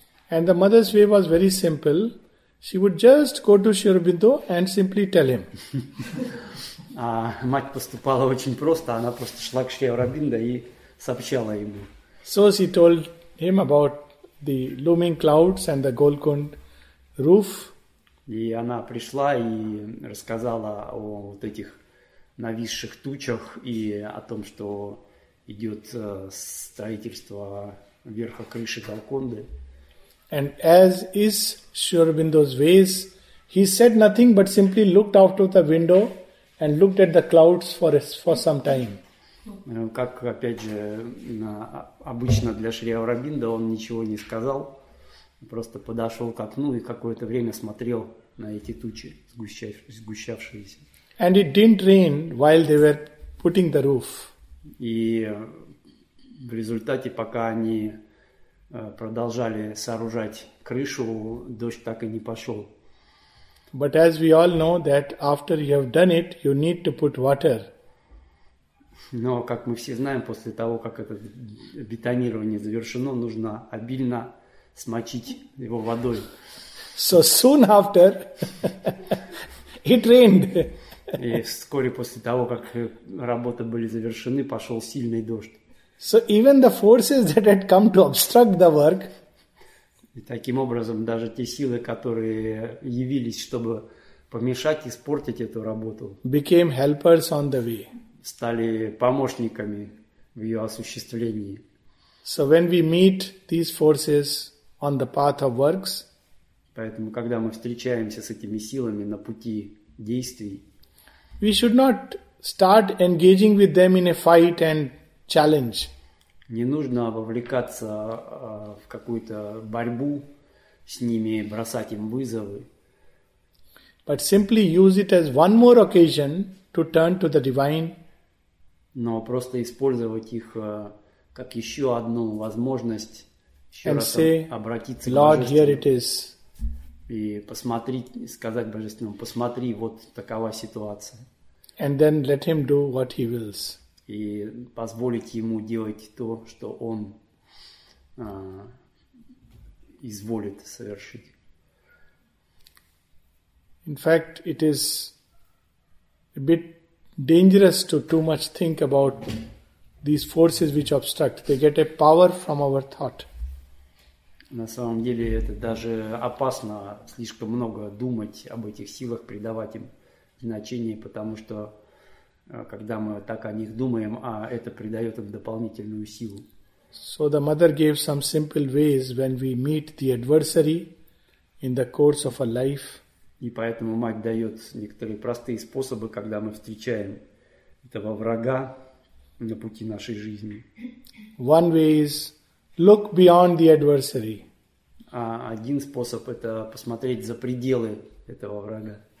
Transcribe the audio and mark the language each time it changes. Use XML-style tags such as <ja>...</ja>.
<en>And the mother's way was very simple. She would just go to Sri Aurobindo and simply tell him.</en> <ru>А мать поступала очень просто, она просто шла к Шри Аурабинде и сообщала ему.</ru> <en>So she told him about the looming clouds and the Golconda roof.</en> <ru>И она пришла и рассказала о вот этих нависших тучах и о том, что идет строительство верха крыши Голконды.</ru> <en>And as is Sri Aurobindo's ways, he said nothing but simply looked out of the window and looked at the clouds for some time.</en> <ru>Как опять же обычно для Шри Аурабинда, он ничего не сказал, просто подошел к окну и какое-то время смотрел на эти тучи, сгущавшиеся.</ru> <en>And it didn't rain while they were putting the roof.</en> <ru>И в результате, пока они продолжали сооружать крышу, дождь так и не пошел.</ru> <en>But as we all know that after you have done it, you need to put water.</en> <ru>Но, как мы все знаем, после того, как это бетонирование завершено, нужно обильно смочить его водой.</ru> <en>So soon after it rained.</en> <ru>И вскоре после того, как работы были завершены, пошел сильный дождь.</ru> <en>So even the forces that had come to obstruct the work.</en> <ru>И таким образом даже те силы, которые явились, чтобы помешать испортить эту работу,</ru> <en>became helpers on the way.</en> <ru>Стали помощниками в ее осуществлении.</ru> <en>So when we meet these forces on the path of works,</en> <ru>поэтому когда мы встречаемся с этими силами на пути действий,</ru> <en>we should not start engaging with them in a fight and challenge.</en> <ru>Не нужно вовлекаться в какую-то борьбу с ними, бросать им вызовы.</ru> <en>But simply use it as one more occasion to turn to the divine.</en> <ru>Но просто использовать их как еще одну возможность еще</ru> <en>and</en> <ru>раз</ru> <en>say,</en> <ru>обратиться</ru> <en>Lord,</en> <ru>к Божественному.</ru> <en>Here it is.</en> <ru>И посмотреть, сказать Божественному, посмотри, вот такова ситуация.</ru> <en>And then let him do what he wills.</en> <ru>И позволить ему делать то, что он изволит совершить.</ru> <en>In fact, it is a bit dangerous to too much think about these forces which obstruct. They get a power from our thought.</en> <ru>На самом деле это даже опасно слишком много думать об этих силах, придавать им значение, потому что когда мы так о них думаем, а это придает им дополнительную силу.</ru> <en>So the mother gave some simple ways when we meet the adversary in the course of a life.</en> <ru>И поэтому мать дает некоторые простые способы, когда мы встречаем этого врага на пути нашей жизни.</ru> <en>One way is look beyond the adversary.</en> <ru>А один способ это посмотреть за пределы этого врага.</ru>